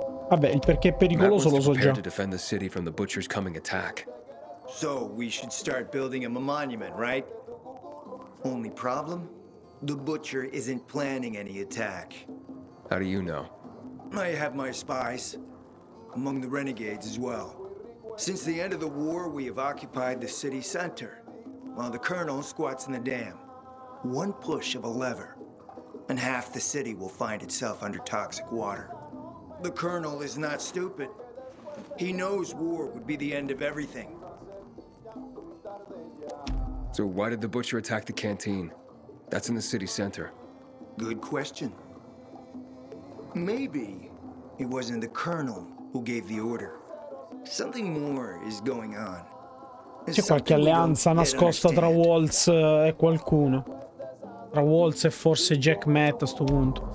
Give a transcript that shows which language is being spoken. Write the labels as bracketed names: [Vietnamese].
[Italian] Vabbè, il perché è pericoloso lo so già. [English] Matt was to defend the city from the butcher's coming attack. So, we should start building him a monument, right? Only problem? The butcher isn't planning any attack. How do you know? I have my spies. Among the renegades as well. Since the end of the war, we have occupied the city center. While the colonel squats in the dam. One push of a lever, and half the city will find itself under toxic water. The colonel is not stupid. He knows war would be the end of everything. So why did the butcher attack the canteen? That's in the city center. Good question. Maybe it wasn't the colonel who gave the order. Something more is going on. [Italian] C'è qualche alleanza nascosta tra Waltz e qualcuno. Tra Waltz e forse Jack Matt a sto punto.